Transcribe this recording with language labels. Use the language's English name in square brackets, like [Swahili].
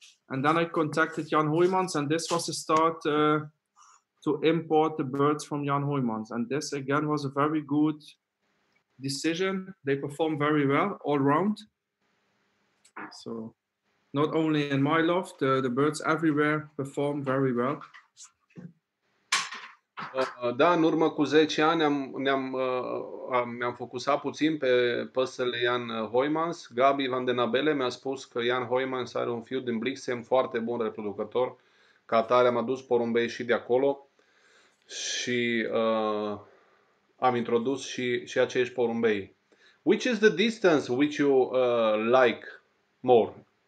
[English] And then I contacted Jan Hoijmans, and this was the start to import the birds from Jan Hoijmans. And this, again, was a very good decision. They performed very well all round. So not only in my loft, the birds everywhere perform very well. [Romanian] Da, în urmă cu 10 ani ne-am focusat puțin pe păsările Jan Hoijmans. Gabi van den Abele mi-a spus că Jan Hoijmans are un fiu din Blixem, foarte bun reproducător. Ca atare am adus porumbei și de acolo și am introdus și acești porumbei. [English] Which is the distance which you like more?